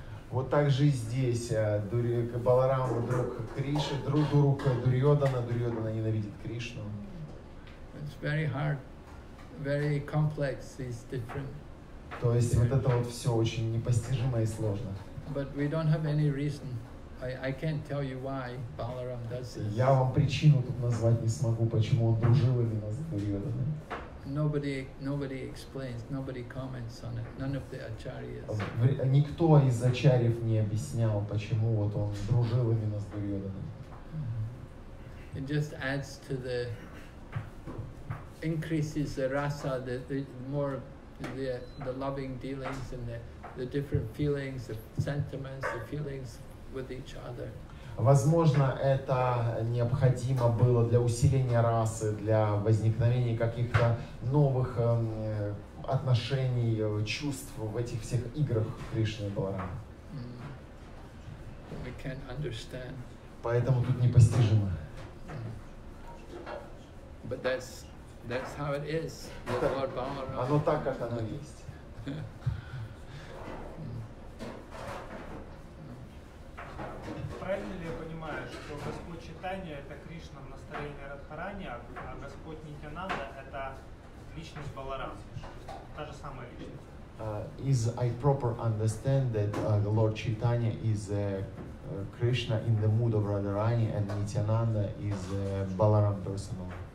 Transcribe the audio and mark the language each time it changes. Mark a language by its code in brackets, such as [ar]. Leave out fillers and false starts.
[ru] Вот так же и здесь, Баларама друг Кришны, друг Дурьодана, Дурьодана ненавидит Кришну. [en] It's very hard, very complex, these different. [ru] То есть вот это вот все очень непостижимо и сложно. [en] But we don't have any reason. I can't tell you why Balaram does this. [ru] Я вам причину тут назвать не смогу, почему он дружил именно с Дурьоданой. [en] Nobody explains, nobody comments on it. None of the acharyas. [ru] Никто из ачарьев не объяснял, почему вот он дружил именно с Дурьоданой. [en] It just adds to the increases the rasa, the more the loving dealings and the different feelings, the sentiments, the feelings with each other. [ru] Возможно, это необходимо было для усиления расы, для возникновения каких-то новых отношений, чувств в этих всех играх Кришны и Баларамы. [en] We can't understand. [ru] Поэтому тут непостижимо. [en] But that's how it is. Это, Lord Balaram. [ru] Оно так, как оно есть. Правильно ли я понимаю? понимаю, что Господь Чайтанья – это Кришна в настроении Радхарани, а Господь Нитьянанда – это личность Баларамы, та же самая личность. [en] Is I proper understand that Lord Chaitanya is Krishna in the mood of Radharani and Nityananda is Balaram personal?